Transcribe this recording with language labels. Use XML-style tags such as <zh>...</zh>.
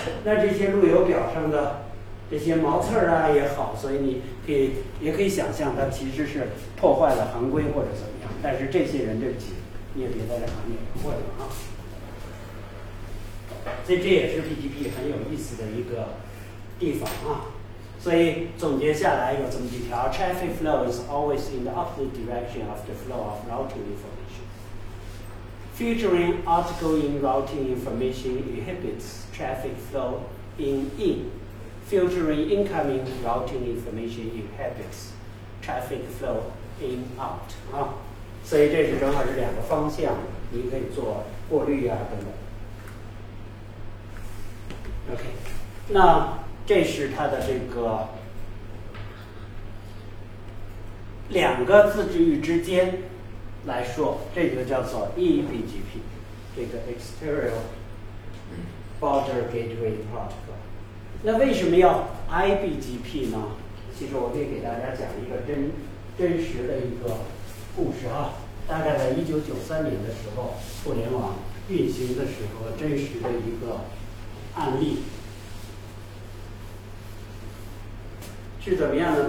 <zh>那这些路由表上的这些毛刺儿啊也好，所以你可以也可以想象它其实是破坏了行规或者怎么样，但是这些人对不起，你也别在这行业混了啊。所以这也是 BGP 很有意思的一个地方啊。所以总结下来有这么几条，</zh> <en>traffic flow is always in the opposite direction of the flow of routing information. Filtering outgoing routing information inhibits traffic flow in. Filtering incoming routing information inhibits traffic flow in out.</en> <zh>啊，所以这是正好是两个方向，你可以做过滤啊等等。 OK， 那这是它的这个两个自治域之间来说，这个叫做 EBGP， 这个 Exterior Border Gateway Protocol。那为什么要 IBGP 呢？其实我可以给大家讲一个真实的一个故事啊。大概在1993年的时候，互联网运行的时候，真实的一个案例是怎么样呢？</zh>